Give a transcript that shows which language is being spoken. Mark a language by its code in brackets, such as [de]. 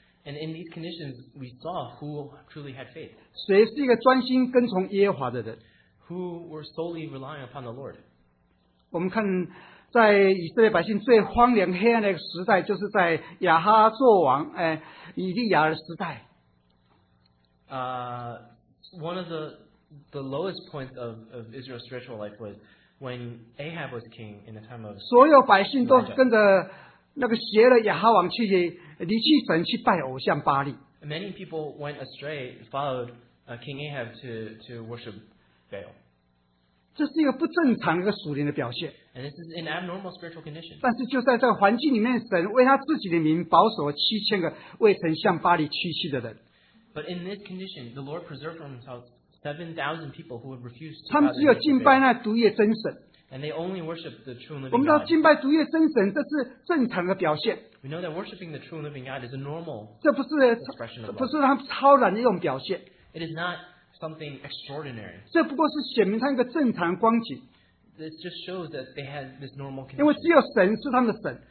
[en] And in these conditions, we saw who truly had faith. [zh] 谁是一个专心跟从耶和华的人。 [en] Who were solely relying upon the Lord. [zh] 我们看在以色列百姓最荒凉黑暗的时代, 就是在亚哈作王以利亚的时代。 [en] One of the lowest points of Israel's spiritual life was when Ahab was king in the time of Elijah. [zh] 所有百姓都跟着那个邪的亚哈王去 离弃神去拜偶像巴利。 [en] Many people went astray, followed King Ahab to worship Baal. [zh] 这是一个不正常的一个属灵的表现。 [en] And this is an abnormal spiritual condition. [zh] 但是就在这个环境里面，神为他自己的名保守7000个未曾向巴利屈膝的人。 [en] But in this condition, the Lord preserved for himself 7,000 people who would refuse to. [zh] 他们只有敬拜那独一真神。 [en] And they only worship the true and living God. We know that worshiping the true and living God is a normal expression of love. It is not something extraordinary. This just shows that they had this normal condition.